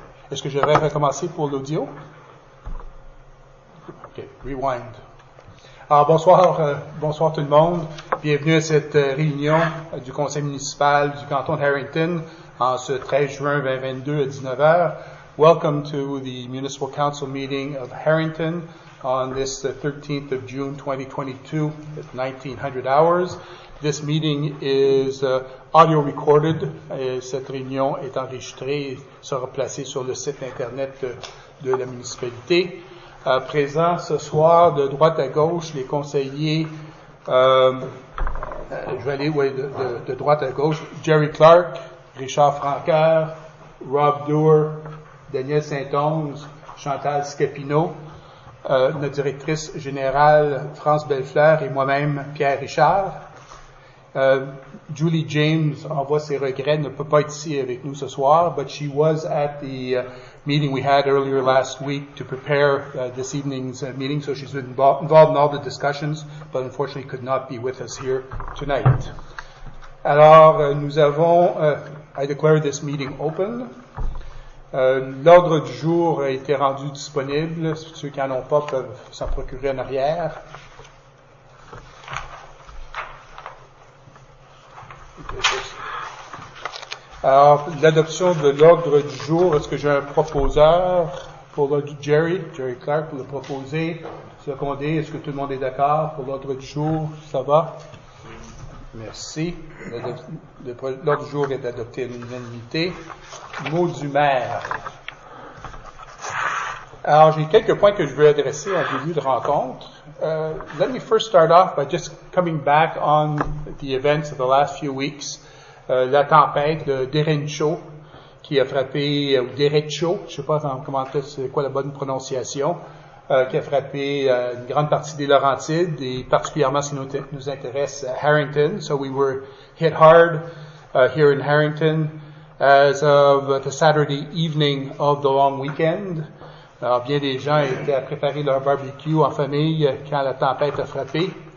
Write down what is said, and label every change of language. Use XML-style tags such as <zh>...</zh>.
<fr>Est-ce que je vais recommencer pour l'audio?</fr> <en>OK, rewind.</en> <fr>Alors, bonsoir tout le monde. Bienvenue à cette réunion du conseil municipal du canton de Harrington en ce 13 juin 2022 à 19h.</fr> <en>Welcome to the municipal council meeting of Harrington on this 13th of June 2022 at 1900 hours. This meeting is audio recorded.</en> <fr>Cette réunion est enregistrée et sera placée sur le site internet de la municipalité. Présent ce soir, de droite à gauche, les conseillers, de droite à gauche, Jerry Clark, Richard Francaire, Rob Doerr, Daniel Saint-Onge, Chantal Scapino, notre directrice générale, France Bellefleur, et moi-même, Pierre Richard.</fr> <en>Julie James</en> <fr>envoie ses regrets, ne peut pas être ici avec nous ce soir,</fr> <en>but she was at the meeting we had earlier last week to prepare this evening's meeting, so she's been involved in all the discussions, but unfortunately could not be with us here tonight.</en> <fr>Alors, nous avons,</fr> <en>I declare this meeting open.</en> <fr>L'ordre du jour a été rendu disponible. Ceux qui n'en ont pas peuvent s'en procurer en arrière. Alors, l'adoption de l'ordre du jour, est-ce que j'ai un proposeur pour l'ordre Jerry Clark, pour le proposer, secondé, est-ce que tout le monde est d'accord pour l'ordre du jour, ça va? Merci. L'ordre du jour est adopté à l'unanimité. Mot du maire. Alors, j'ai quelques points que je veux adresser en début de rencontre.</fr> <en>Let me first start off by just coming back on the events of the last few weeks.</en> <fr>La tempête de Derecho qui a frappé, ou Derecho, je ne sais pas comment c'est quoi la bonne prononciation, qui a frappé une grande partie des Laurentides et particulièrement ce qui nous intéresse, Harrington.</fr> <en>So we were hit hard here in Harrington as of the Saturday evening of the long weekend.</en> <fr>Alors, bien des gens étaient à préparer leur barbecue en famille quand la tempête a frappé.</fr>